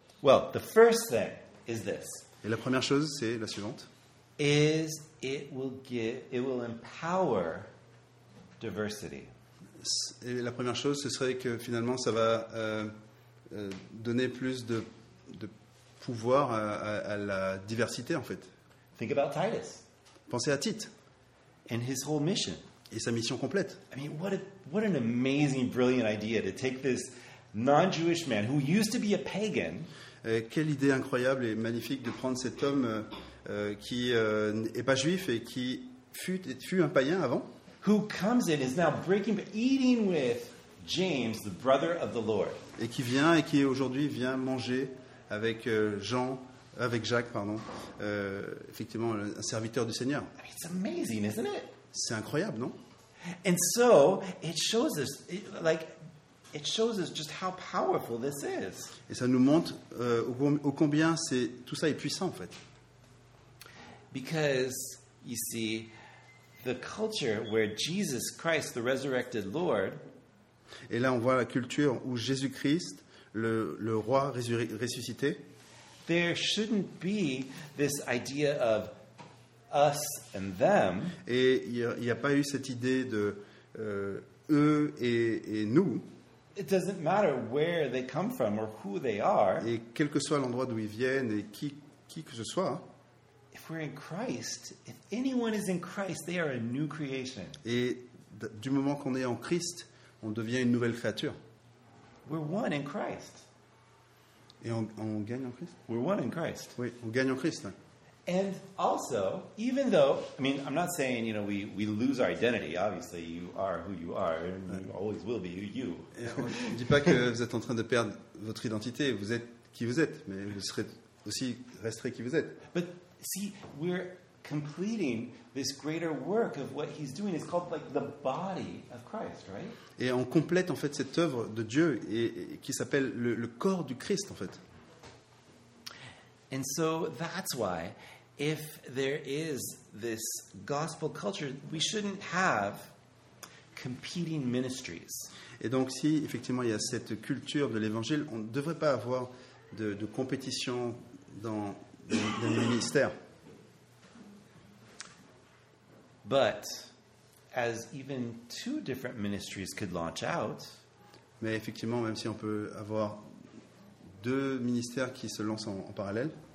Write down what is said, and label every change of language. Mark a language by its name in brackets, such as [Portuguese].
[English] Well, the first thing is this. [French] Et la première chose, c'est la suivante. [English] Is it will empower diversity. [French] Et la première chose, ce serait que finalement, ça va donner plus de pouvoir à la diversité, en fait. [English] Think about Titus. [French] Pensez à Tite. [English] And his whole mission. [French] Et sa mission complète. [English] I mean, what an amazing, brilliant idea to take this non-Jewish man who used to be a pagan. [French] Quelle idée incroyable et magnifique de prendre cet homme qui n'est pas juif et qui fut un païen avant. [English] Who comes in is now breaking, eating with James, the brother of the Lord. [French] Et qui vient et qui aujourd'hui vient manger avec Jean, avec Jacques, pardon, effectivement un serviteur du Seigneur. [English] It's amazing, isn't it? [French] C'est incroyable, non? [English] And so it shows us, it shows us just how powerful this is. [French] Et ça nous montre au combien c'est tout ça est puissant, en fait. [English] Because you see, the culture where Jesus Christ, the resurrected Lord. [French] Et là, on voit la culture où Jésus-Christ, le roi ressuscité. [English] There shouldn't be this idea of us and them. [French] Et il n'y a pas eu cette idée de eux et nous. [English] It doesn't matter where they come from or who they are. [French] Et quel que soit l'endroit d'où ils viennent et qui que ce soit. [English] If we're in Christ, if anyone is in Christ, they are a new creation. [French] Et du moment qu'on est en Christ, on devient une nouvelle créature. [English] We're one in Christ. [French] Et on gagne en Christ. [English] We're one in Christ. [French] Oui, on gagne en Christ. [English] And also, even though, I mean, I'm not saying, you know, we lose our identity. Obviously, you are who you are, and you always will be you. [French] Je ne dis pas que vous êtes en train de perdre votre identité. Vous êtes qui vous êtes, mais vous serez aussi resterez qui vous êtes. [English] But see, we're completing this greater work of what he's doing. It's called like the body of Christ, right? [French] Et on complète en fait cette œuvre de Dieu et qui s'appelle le corps du Christ, en fait. [English] And so that's why, if there is this gospel culture, we shouldn't have competing ministries. [French] Et donc si effectivement il y a cette culture de l'évangile, on ne devrait pas avoir de compétition dans les ministères. [English] But as even two different ministries could launch out, [French] Mais effectivement, même si on peut avoir deux ministères qui se lancent en parallèle,